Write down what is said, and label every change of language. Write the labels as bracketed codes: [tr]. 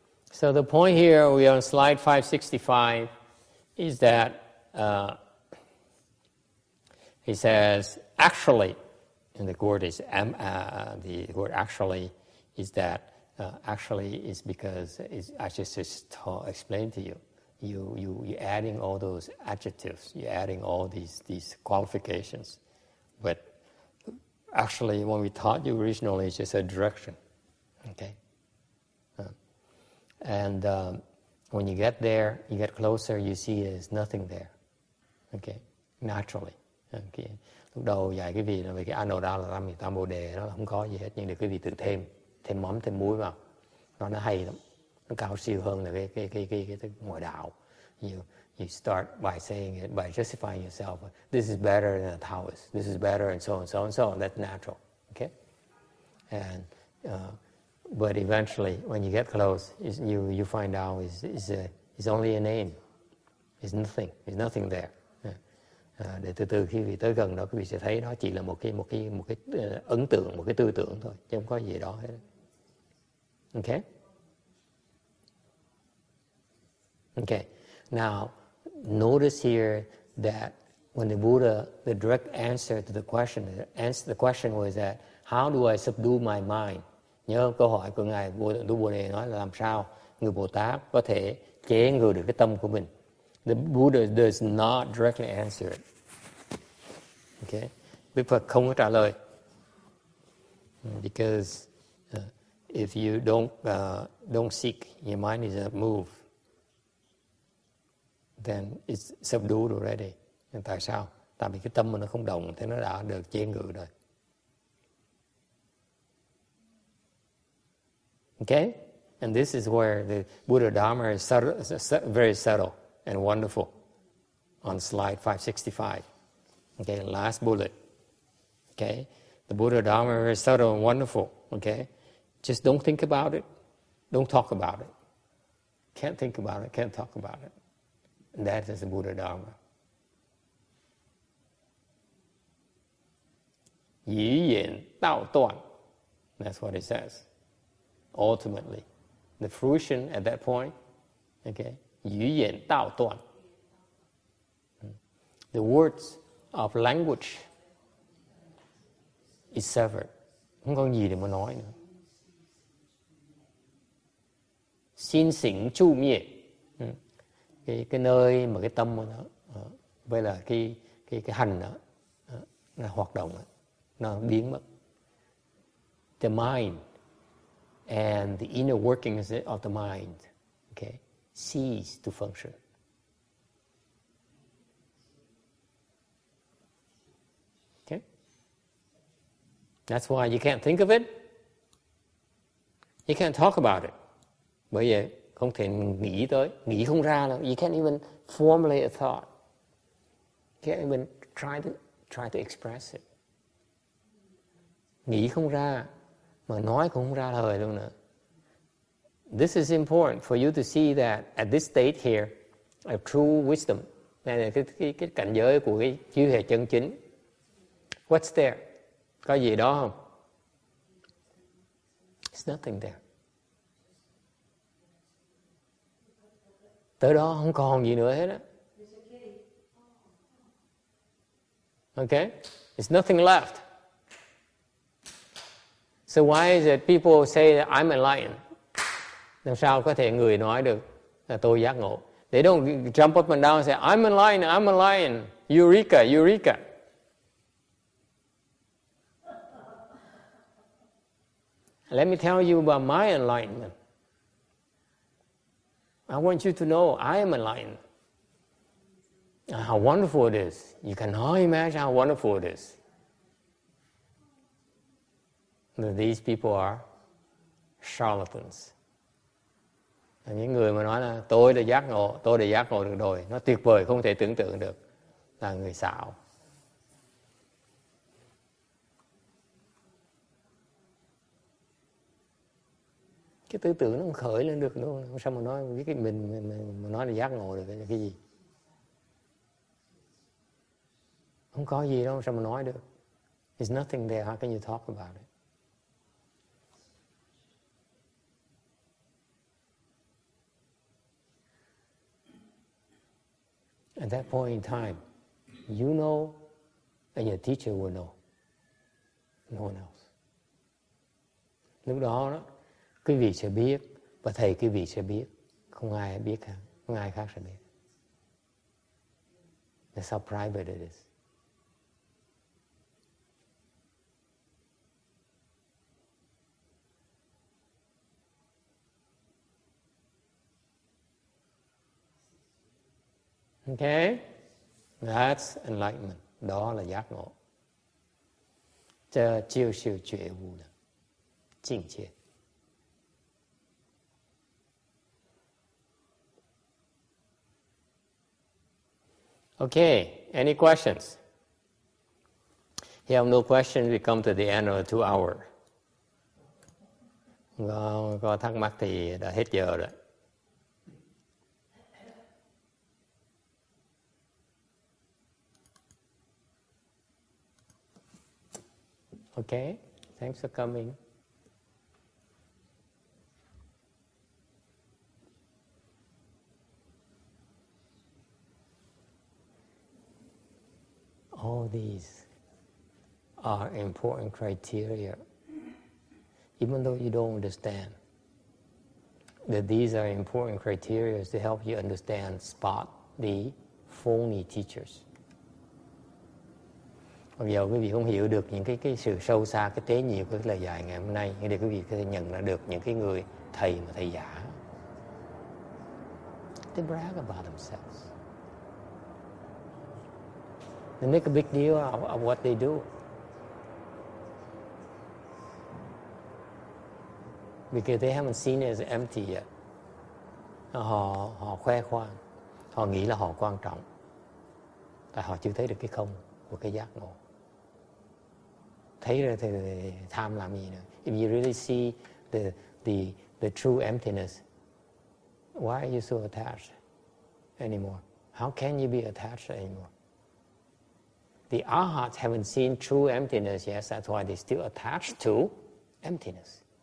[en] So the point here, we are on slide 565, is that he says, actually, in the word is, the word actually is that, actually is because, I just explained to you, you're adding all those adjectives, you're adding all these qualifications, but actually when we taught you originally, it's just a direction, okay? And when you get there, you get closer, you see there's nothing there. Okay, naturally. Okay. [vi] Lúc đầu dạy cái vị là vì cái anh đồ đó là tâm tam bồ đề đó là không có gì hết, nhưng được cái vị tự thêm, thêm mắm, thêm muối vào. Nó hay lắm. Nó cao siêu hơn là cái ngoại đạo. [en] You start by saying it, by justifying yourself. This is better than a Taoist. This is better and so on, so on, so on. That's natural. Okay? And but eventually, when you get close, you find out it's only a name. It's nothing. It's nothing there. [vi] Để từ từ khi vị tới gần đó, quý vị sẽ thấy nó chỉ là một cái ấn tượng, một cái tư tưởng thôi, chứ không có gì đó hết. [en] Okay? Okay. Now, notice here that when the Buddha, the direct answer to the question, the question was that, how do I subdue my mind? [vi] Nhớ câu hỏi của Ngài Đức Bồ Đề nói là làm sao người Bồ Tát có thể chế ngự được cái tâm của mình. [en] The Buddha does not directly answer it. Okay? [vi] Đức Phật không có trả lời. [en] Because if you don't seek, your mind is not moved. Then it's subdued already. [vi] Nhưng tại sao? Tại vì cái tâm mà nó không động, thế nó đã được chế ngự rồi. Okay? [en] And this is where the Buddha Dharma is subtle, very subtle and wonderful. On slide 565. Okay, last bullet. Okay? The Buddha Dharma is very subtle and wonderful. Okay? Just don't think about it. Don't talk about it. Can't think about it. Can't talk about it. That is the Buddha Dharma. [zh] Yǐ yǐn dào duàn. [en] That's what it says. Ultimately, the fruition at that point, okay, [zh] yǐ yǐn dào duàn. [en] The words of language is severed. [vi] Không có gì để mà nói nữa. Xin xỉnh chu miệt. Cái nơi mà cái tâm nó với là cái hành đó nó hoạt động đó, nó biến mất. [en] The mind and the inner workings of the mind, okay, cease to function. Okay, that's why you can't think of it, you can't talk about it. [vi] Bởi vậy không thể nghĩ tới, nghĩ không ra đâu. [en] You can't even formulate a thought. Can't even try to express it. [vi] Nghĩ không ra, mà nói cũng không ra lời luôn nữa. [en] This is important for you to see that at this state here, a true wisdom, [vi] này là cái cảnh giới của cái trí huệ chân chính. [en] What's there? [vi] Có gì đó không? [en] It's nothing there. [vi] Tới đó không còn gì nữa hết á. [en] Okay? It's nothing left. So why is it people say that I'm enlightened? [vi] Làm sao có thể người nói được là tôi giác ngộ? [en] They don't jump up and down and say, I'm enlightened, I'm enlightened. Eureka, eureka. Let me tell you about my enlightenment. I want you to know I am enlightened. How wonderful it is. You cannot imagine how wonderful it is. But these people are charlatans. [vi] And những người mà nói là tôi đã giác ngộ được rồi, nó tuyệt vời không thể tưởng tượng được, là người xạo. Cái tư tưởng nó không khởi lên được luôn, không sao mà nói với cái mình nói là giác ngộ được cái gì, không có gì đâu, không sao mà nói được. [en] It's nothing there, how can you talk about it? At that point in time, you know and your teacher will know, no one else. [vi] Lúc đó đó quý vị sẽ biết và thầy quý vị sẽ biết, không ai biết cả, không ai khác sẽ biết. [en] That's how private it is. Okay? That's enlightenment. [vi] Đó là giác ngộ. Chờ chiêu siêu chuyện vụ nè. Chính chết. [en] Okay, any questions? If you have no questions, we come to the end of the 2 hour. [vi] Well, có thắc mắc thì đã hết giờ rồi. [en] Okay, thanks for coming. All these are important criteria. Even though you don't understand that these are important criteria to help you understand, spot the phony teachers. [vi] Bây giờ quý vị không hiểu được những cái sự sâu xa, cái tế nhiệm của lời dạy ngày hôm nay, thì để quý vị có thể nhận ra được những cái người thầy mà thầy giả. [en] They brag about themselves. They make a big deal of what they do. Because they haven't seen it as empty yet. [vi] Họ khoe khoang. Họ nghĩ là họ quan trọng. Tại họ chưa thấy được cái không của cái giác ngộ. Thấy rồi thì tham làm gì nữa. [en] If you really see the true emptiness, why are you so attached anymore? How can you be attached anymore? The arhats haven't seen true emptiness yet, that's why they're still attached to emptiness.